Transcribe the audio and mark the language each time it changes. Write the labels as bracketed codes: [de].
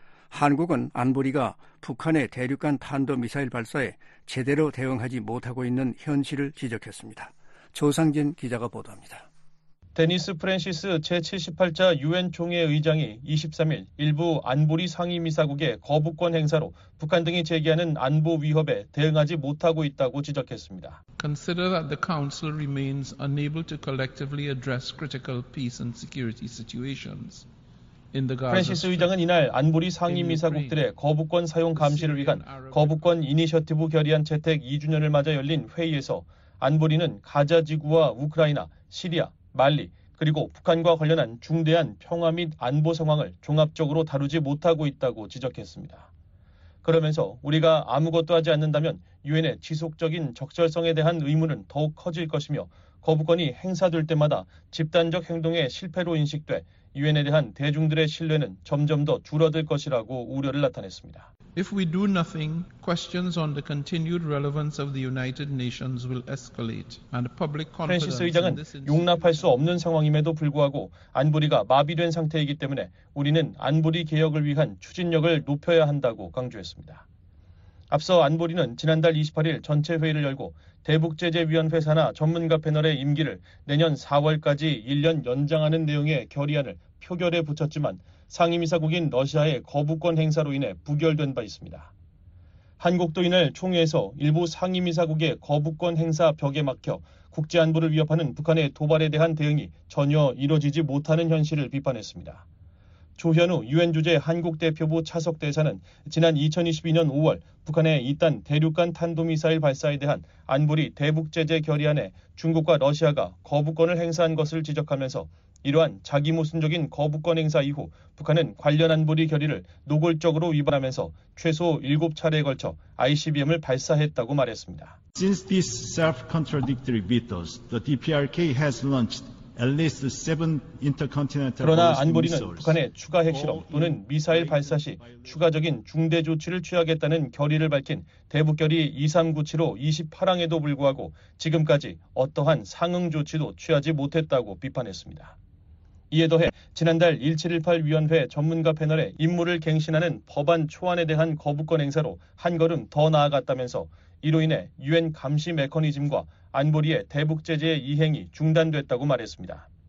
[ko] 한국은 안보리가 북한의 대륙간 탄도미사일 발사에 제대로 대응하지 못하고 있는 현실을 지적했습니다. 조상진 기자가 보도합니다. 데니스 프랜시스 제78차 유엔 총회 의장이 23일 일부 안보리 상임이사국의 거부권 행사로 북한 등이 제기하는 안보 위협에 대응하지 못하고 있다고 지적했습니다. [en] Consider that the Council remains unable to collectively address critical peace and security situations. [ko] 프랜시스 의장은 이날 안보리 상임이사국들의 거부권 사용 감시를 위한 거부권 이니셔티브 결의안 채택 2주년을 맞아 열린 회의에서 안보리는 가자지구와 우크라이나, 시리아, 말리 그리고 북한과 관련한 중대한 평화 및 안보 상황을 종합적으로 다루지 못하고 있다고 지적했습니다. 그러면서 우리가 아무것도 하지 않는다면 유엔의 지속적인 적절성에 대한 의문은 더욱 커질 것이며 거부권이 행사될 때마다 집단적 행동의 실패로 인식돼 유엔에 대한 대중들의 신뢰는 점점 더 줄어들 것이라고 우려를 나타냈습니다. [en] If we do nothing, questions on the continued relevance of the United Nations will escalate and public confidence. [ko] 프랜시스 의장은 용납할 수 없는 상황임에도 불구하고 안보리가 마비된 상태이기 때문에 우리는 안보리 개혁을 위한 추진력을 높여야 한다고 강조했습니다. 앞서 안보리는 지난달 28일 전체 회의를 열고 대북제재위원회사나 전문가 패널의 임기를 내년 4월까지 1년 연장하는 내용의 결의안을 표결에 붙였지만 상임이사국인 러시아의 거부권 행사로 인해 부결된 바 있습니다. 한국도 이날 총회에서 일부 상임이사국의 거부권 행사 벽에 막혀 국제안보를 위협하는 북한의 도발에 대한 대응이 전혀 이뤄지지 못하는 현실을 비판했습니다. 조현우 유엔 주재 한국대표부 차석대사는 지난 2022년 5월 북한의 잇단 대륙간 탄도미사일 발사에 대한 안보리 대북제재 결의안에 중국과 러시아가 거부권을 행사한 것을 지적하면서 이러한 자기모순적인 거부권 행사 이후 북한은 관련 안보리 결의를 노골적으로 위반하면서 최소 7차례에 걸쳐 ICBM을 발사했다고 말했습니다. [en] Since these self-contradictory vetoes, the DPRK has launched at least seven intercontinental [ko] 그러나 안보리는 북한의 추가 핵실험 또는 미사일 발사 시 추가적인 중대 조치를 취하겠다는 결의를 밝힌 대북결의 2397호 28항에도 불구하고 지금까지 어떠한 상응 조치도 취하지 못했다고 비판했습니다. 이에 더해 지난달 1718 위원회 전문가 패널의 임무를 갱신하는 법안 초안에 대한 거부권 행사로 한 걸음 더 나아갔다면서 이로 인해 유엔 감시 메커니즘과 안보리의 대북 제재 이행이 중단됐다고 말했습니다.